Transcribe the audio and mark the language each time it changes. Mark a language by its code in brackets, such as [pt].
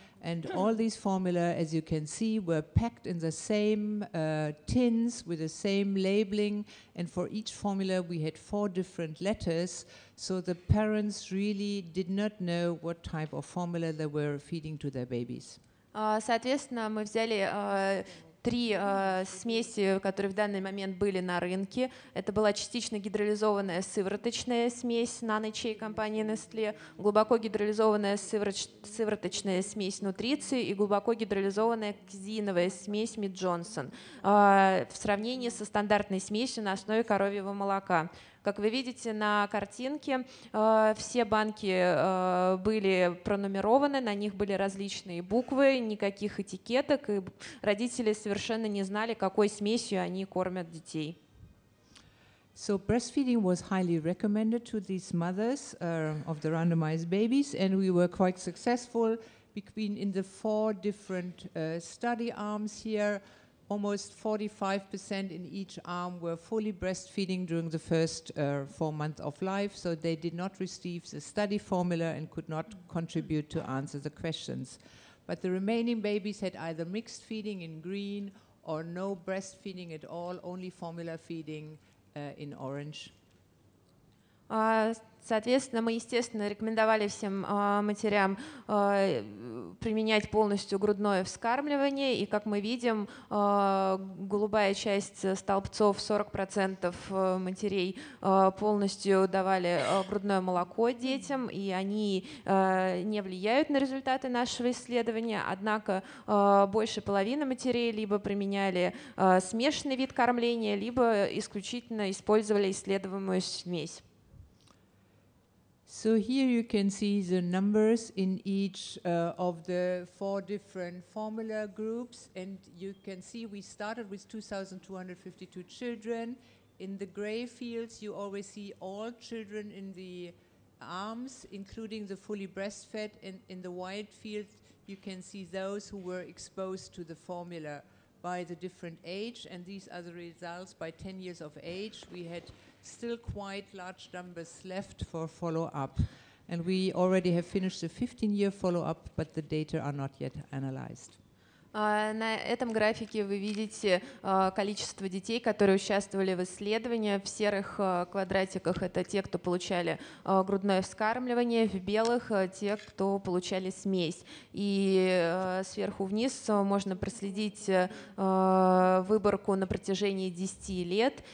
[en] And all these formula, as you can see, were packed in the same tins with the same labeling. And for each formula, we had four different letters. So the parents really did not know what type of formula they were feeding to their babies. [ru] Соответственно, мы взяли три смеси, которые в данный момент были на рынке. Это была частично гидролизованная сывороточная смесь Nanochai компании Nestle, глубоко гидролизованная сывороточная смесь Nutrici и глубоко гидролизованная казеиновая смесь Mead Johnson в сравнении со стандартной смесью на основе коровьего молока. Как вы видите на картинке, все банки были пронумерованы, на них были различные буквы, никаких этикеток, и родители совершенно не знали, какой смесью они кормят детей. [en] So breastfeeding was highly recommended to these mothers of the randomized babies, and we were quite successful between in the four different study arms here. Almost 45% in each arm were fully breastfeeding during the first 4 months of life, so they did not receive the study formula and could not contribute to answer the questions. But the remaining babies had either mixed feeding in green or no breastfeeding at all, only formula feeding in orange. [ru] Соответственно, мы, естественно, рекомендовали всем матерям применять полностью грудное вскармливание, и, как мы видим, голубая часть столбцов, 40% матерей полностью давали грудное молоко детям, и они не влияют на результаты нашего исследования, однако больше половины матерей либо применяли смешанный вид кормления, либо исключительно использовали исследуемую смесь. [en] So here you can see the numbers in each of the four different formula groups, and you can see we started with 2,252 children. In the gray fields, you always see all children in the arms, including the fully breastfed, and in the white fields, you can see those who were exposed to the formula by the different age, and these are the results by 10 years of age. We had still quite large numbers left for follow-up. And we already have finished the 15-year follow-up, but the data are not yet analyzed. [ru] На этом графике вы видите количество детей, которые участвовали в исследовании. В серых квадратиках это те, кто получали грудное вскармливание, в белых те, кто получали смесь. И сверху вниз можно проследить выборку на протяжении 10 лет.